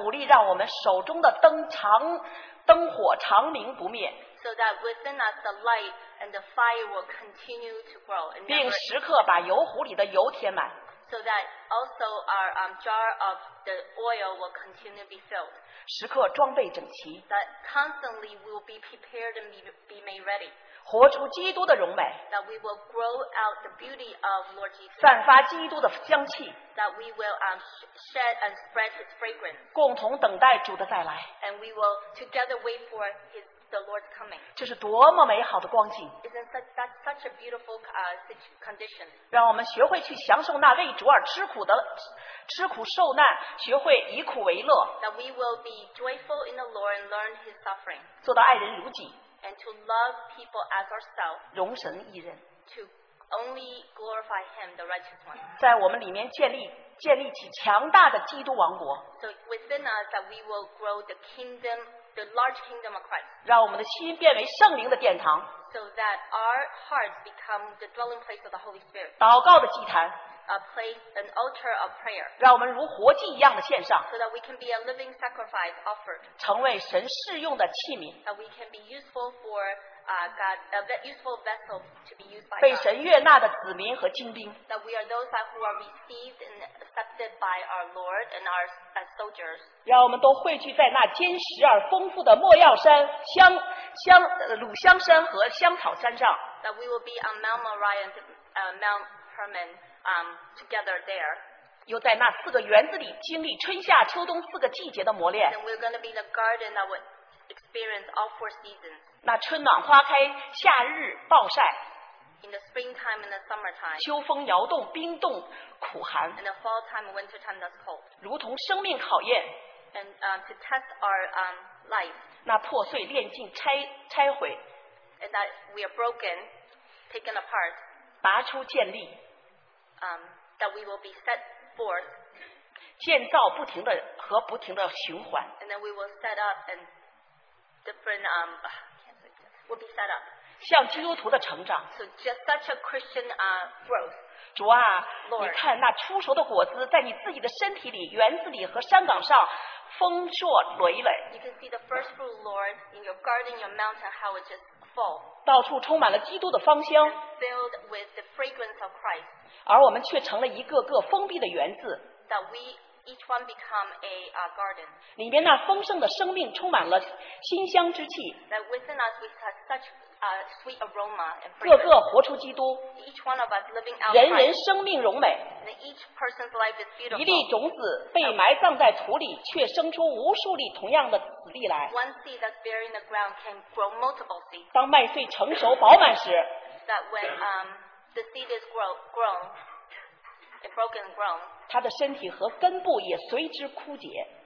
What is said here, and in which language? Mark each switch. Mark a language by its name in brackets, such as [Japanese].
[Chinese] 努力让我们手中的灯火长明不灭。 [English] So that within us the light and the fire will continue to grow. [Chinese] 并时刻把油壶里的油填满。 [English] So that also our jar of the oil will continue to be filled. [Chinese] 时刻装备整齐。 [English] That constantly we will be prepared and be made ready. [Chinese] 活出基督的荣美。 [English] That we will grow out the beauty of Lord Jesus. [Chinese] 散发基督的香气。 [English] That we will shed and spread his fragrance. [Chinese] 共同等待主的再来。 [English] And we will together wait for his The Lord's coming. [Chinese] 这是多么美好的光景 [English] Isn't that such a beautiful condition? [Chinese] 让我们学会去享受那为主而吃苦的吃苦受难学会以苦为乐 [English] That we will be joyful in the Lord and learn his suffering [Chinese] 做到爱人如己 [English] And to love people as ourselves [Chinese] 容神一人 [English] To only glorify him, the righteous one [Chinese] 在我们里面建立起强大的基督王国 [English] So within us that we will grow the kingdom of The large kingdom of Christ. [Chinese] 让我们的心变为圣灵的殿堂。 [English] So that our hearts become the dwelling place of the Holy Spirit. [Chinese] 祷告的祭坛。 [English] A place, an altar of prayer. [Chinese] 让我们如活祭一样的献上。 [English] So that we can be a living sacrifice offered. [Chinese] 成为神适用的器皿。 [English] That we can be useful for God, that useful vessel to be used by God. [Chinese] 被神悦纳的子民和精兵。 [English] That we are those who are received and accepted by our Lord and our soldiers. [Chinese] 让我们都汇聚在那坚实而丰富的莫药山、香、乳香山和香草山上。 [English] That we will be on Mount Moriah, Mount Hermon, together there. [Chinese] 又在那四个园子里经历春夏秋冬四个季节的磨练。 [English] Then we're going to be in a garden that would experience all four seasons. [Chinese] 那春暖花开，夏日暴晒。 [English] In the springtime and the summertime. [Chinese] 秋风摇动，冰冻苦寒。 [English] In the fall time and winter time that's cold. [Chinese] 如同生命考验。 [English] And to test our life. [Chinese] 那破碎炼净拆毁。 [English] And that we are broken, taken apart. [Chinese] 拔出建立。 [English] That we will be set forth. [Chinese] 建造不停的和不停的循环。 [English] And then we will set up and different will be set up. [Chinese] 像基督徒的成长。 [English] So just such a Christian growth. [Chinese] 主啊, Lord, 你看那出熟的果子在你自己的身体里、园子里和山岗上丰硕累累。 [English] You can see the first fruit, Lord, in your garden, your mountain, how it just full. [Chinese] 到处充满了基督的芳香。 [English] Filled with the fragrance of Christ. [Chinese] 而我们却成了一个个封闭的园子。 [English] That we each one become a garden. [Chinese] 里面那丰盛的生命充满了馨香之气。 [English] That within us we have such sweet aroma and [Chinese] fragrance. 各个活出基督。 [English] Each one of us living out Christ. [Chinese] 人人生命荣美。 [English] And each person's life is beautiful. [Chinese] 一粒种子被埋葬在土里， 却生出无数粒同样的子粒来。 [English] One seed that's buried in the ground can grow multiple seeds. [Chinese] 当麦穗成熟饱满时。 [English] That when the seed is grown, it broken and grown. [Chinese] 他的身体和根部也随之枯竭。